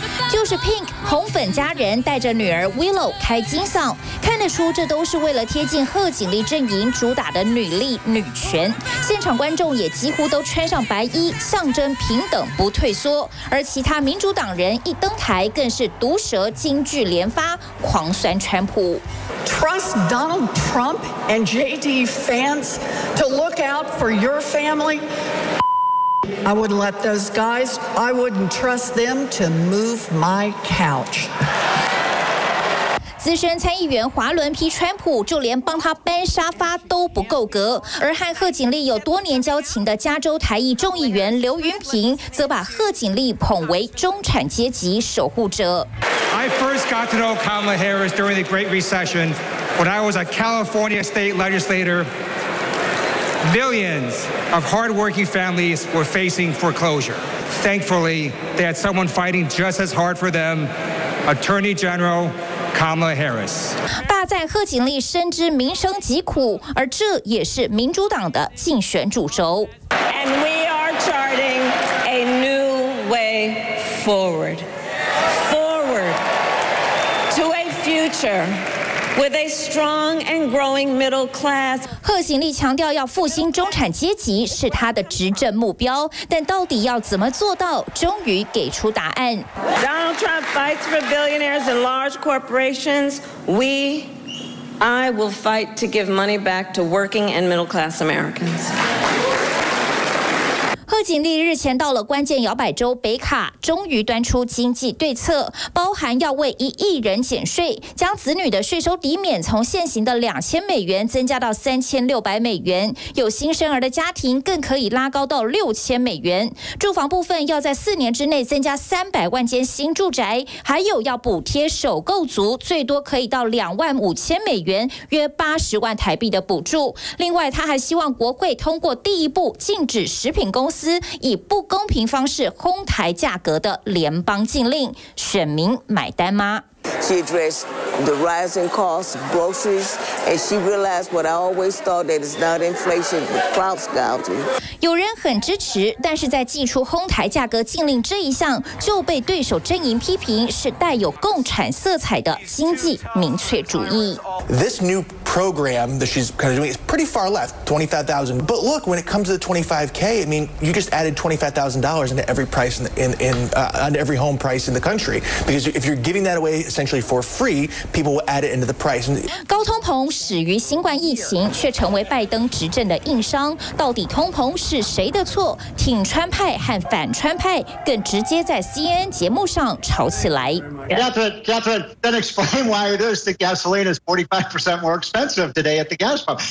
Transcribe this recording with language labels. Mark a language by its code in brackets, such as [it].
[zh] 就是 Pink 红粉家人带着女儿 Willow 开金嗓，看得出这都是为了贴近贺锦丽阵营主打的女力女权。现场观众也几乎都穿上白衣，象征平等不退缩。而其他民主党人一登台，更是毒舌金句连发，狂酸川普。 [en] Trust Donald Trump and JD fans to look out for your family. I wouldn't let those guys, I wouldn't trust them to move my couch. [zh] 资深参议员华伦批川普，就连帮他搬沙发都不够格。而和贺锦丽有多年交情的加州台裔众议员刘云平，则把贺锦丽捧为中产阶级守护者。 [en] I first got to know Kamala Harris during the Great Recession when I was a California state legislator. Millions of hard-working families were facing foreclosure. Thankfully, they had someone fighting just as hard for them, Attorney General Kamala Harris. [zh] 大赞贺锦丽深知民生疾苦，而这也是民主党的竞选主轴。 [en] And we are charting a new way forward. Forward to a future. With a strong and growing middle class. [zh] 贺锦丽强调要复兴中产阶级是她的执政目标，但到底要怎么做到，终于给出答案。 [en] Donald Trump fights for billionaires and large corporations. I will fight to give money back to working and middle class Americans. [zh] 贺锦丽日前到了关键摇摆州北卡，终于端出经济对策，包含要为一亿人减税，将子女的税收抵免从现行的$2,000增加到$3,600，有新生儿的家庭更可以拉高到$6,000。住房部分要在4年之内增加300万间新住宅，还有要补贴首购族最多可以到$25,000，约$800,000的补助。另外，他还希望国会通过第一步禁止食品公司。以不公平方式哄抬价格的联邦禁令，选民买单吗？ [en] She addressed the rising cost of groceries, and she realized what I always thought that it's not inflation, but crowd gouging. [zh] 有人很支持，但是在祭出哄抬价格禁令这一项，就被对手阵营批评是带有共产色彩的经济民粹主义。 [en] This new program that she's kind of doing is pretty far left, $25,000. But look, when it comes to the $25K, I mean, you just added $25,000 into every price into every home price in the country. Because if you're giving that away essentially for free, people will add it into the price. [zh] 高通膨始于新冠疫情，却成为拜登执政的硬伤。到底通膨是谁的错？挺川派和反川派更直接在 CNN 节目上吵起来。 [en] Catherine, then explain why it is that gasoline is 45% more expensive today at the gas pump.